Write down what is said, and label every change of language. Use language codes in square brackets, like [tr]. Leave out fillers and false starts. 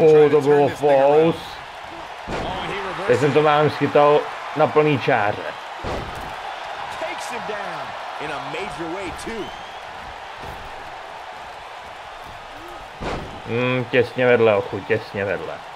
[cs] To bylo false. Teď jsem to mám schytal na plný čáře. [en] Takes him down in a major way too. [cs] Těsně vedle, ochu, těsně vedle.